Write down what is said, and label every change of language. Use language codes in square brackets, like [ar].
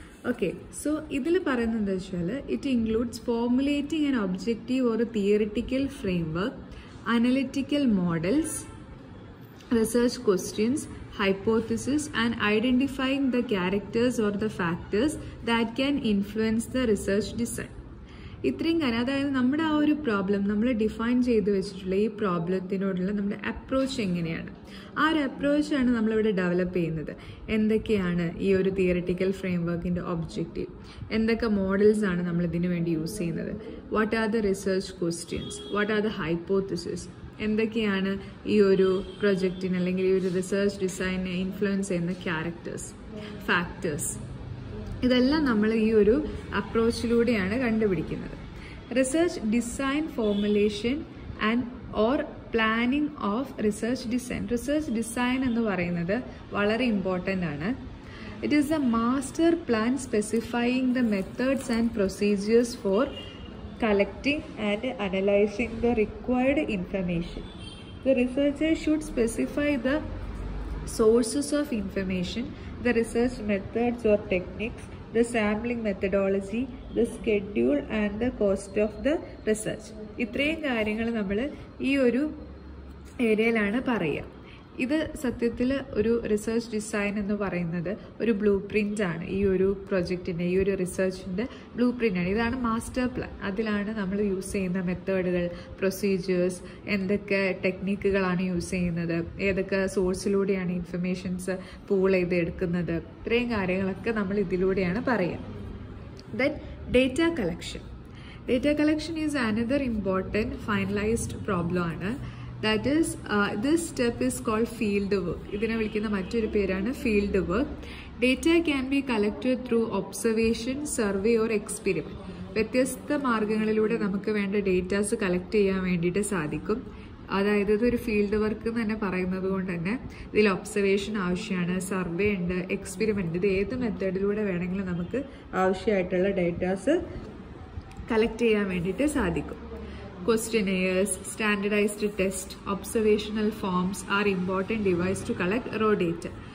[en] Okay, so [ml] idile parayunnathu vachala, [en] it includes formulating an objective or a theoretical framework, analytical models, research questions, hypothesis, and identifying the characters or the factors that can influence the research design. [ml] ഇത്രയും കാര്യം, അതായത് നമ്മുടെ ആ ഒരു problem നമ്മൾ define ചെയ്തു വെച്ചിട്ടുള്ള ഈ പ്രോബ്ലത്തിനോടുള്ള നമ്മുടെ അപ്രോച്ച് എങ്ങനെയാണ്, ആ ഒരു അപ്രോച്ചാണ് നമ്മളിവിടെ ഡെവലപ്പ് ചെയ്യുന്നത്. എന്തൊക്കെയാണ് ഈ ഒരു തിയറട്ടിക്കൽ ഫ്രെയിംവർക്കിൻ്റെ ഒബ്ജക്റ്റീവ്, എന്തൊക്കെ മോഡൽസ് ആണ് നമ്മളിതിനു വേണ്ടി യൂസ് ചെയ്യുന്നത്, what are the research questions, what are the hypothesis, എന്തൊക്കെയാണ് ഈ ഒരു പ്രൊജക്റ്റിന് അല്ലെങ്കിൽ ഈ ഒരു റിസർച്ച് ഡിസൈനെ ഇൻഫ്ലുവൻസ് ചെയ്യുന്ന ക്യാരക്ടേഴ്സ്, ഫാക്ടേഴ്സ്, ഇതെല്ലാം നമ്മൾ ഈ ഒരു അപ്രോച്ചിലൂടെയാണ് കണ്ടുപിടിക്കുന്നത്. [en] Research design formulation and or planning of research design. Research design എന്ന് പറയുന്നത് വളരെ important ആണ്. It is a master plan specifying the methods and procedures for collecting and analysing the required information. The researchers should specify the sources of information, the research methods or techniques, the sampling methodology, the schedule and the cost of the research. [ml] ഇത്രയും കാര്യങ്ങൾ നമ്മൾ ഈ ഒരു ഏരിയയിലാണ് പറയുക. ഇത് സത്യത്തിൽ ഒരു റിസർച്ച് ഡിസൈൻ എന്ന് പറയുന്നത് ഒരു ബ്ലൂ പ്രിൻ്റ് ആണ്, ഈ ഒരു പ്രൊജക്റ്റിൻ്റെ ഈ ഒരു റിസർച്ചിൻ്റെ ബ്ലൂ പ്രിൻ്റ് ആണ്. ഇതാണ് മാസ്റ്റർ പ്ലാൻ, അതിലാണ് നമ്മൾ യൂസ് ചെയ്യുന്ന മെത്തേഡുകൾ, പ്രൊസീജിയേഴ്സ്, എന്തൊക്കെ ടെക്നിക്കുകളാണ് യൂസ് ചെയ്യുന്നത്, ഏതൊക്കെ സോഴ്സിലൂടെയാണ് ഇൻഫർമേഷൻസ് പൂൾ ചെയ്ത് എടുക്കുന്നത്, ഇത്രയും കാര്യങ്ങളൊക്കെ നമ്മൾ ഇതിലൂടെയാണ് പറയുന്നത്. [en] Then data collection. Data collection is another important finalised problem ആണ്. That is, this step is called field work. [ml] ഇതിനെ വിളിക്കുന്ന മറ്റൊരു പേരാണ് [en] Field work. Data can be collected through observation, survey or experiment. [ml] വ്യത്യസ്ത മാർഗങ്ങളിലൂടെ നമുക്ക് വേണ്ട ഡേറ്റാസ് കളക്ട് ചെയ്യാൻ വേണ്ടിയിട്ട് സാധിക്കും. അതായത് ഇതൊരു ഫീൽഡ് വർക്ക് എന്ന് തന്നെ പറയുന്നത് കൊണ്ട് തന്നെ ഇതിൽ ഒബ്സർവേഷൻ ആവശ്യമാണ്, സർവേ ഉണ്ട്, എക്സ്പെരിമെൻറ്റ്, ഇത് ഏത് മെത്തേഡിലൂടെ വേണമെങ്കിലും നമുക്ക് ആവശ്യമായിട്ടുള്ള ഡേറ്റാസ് കളക്ട് ചെയ്യാൻ വേണ്ടിയിട്ട് സാധിക്കും. [en] Questionnaires, standardized tests, observational forms are important devices to collect raw data.